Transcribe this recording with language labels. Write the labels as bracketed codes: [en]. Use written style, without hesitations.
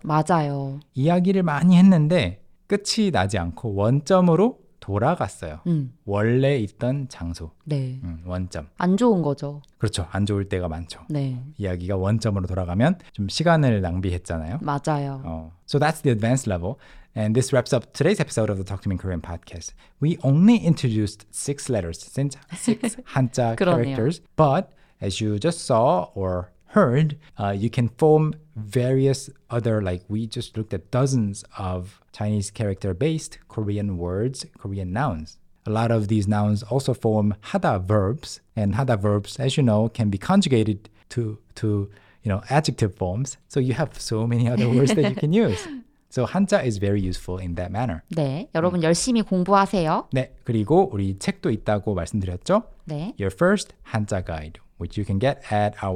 [ko] 맞아요. 이야기를 많이 했는데 끝이 나지 않고 원점으로 돌아갔어요. 원래 있던 장소. 네. 원점. 안 좋은 거죠. 그렇죠. 안 좋을 때가 많죠. 네. 이야기가 원점으로 돌아가면 좀 시간을 낭비했잖아요. 맞아요. [en] So that's the advanced level. And this wraps up today's episode of the Talk to Me in Korean podcast. We only introduced six letters since six Hanja characters. But as you just saw or heard, you can form various other, like we just looked at dozens of Chinese character-based Korean words, Korean nouns. A lot of these nouns also form hada verbs, and hada verbs, as you know, can be conjugated to adjective forms. So you have so many other words that you can use. So Hanja is very useful in that manner. [ko] 네, 여러분 열심히 공부하세요. 네, 그리고 우리 책도 있다고 말씀드렸죠? 네. [en] Your first Hanja guide. Which you can get at our website at talktomekorean.com/store. That's our online bookstore.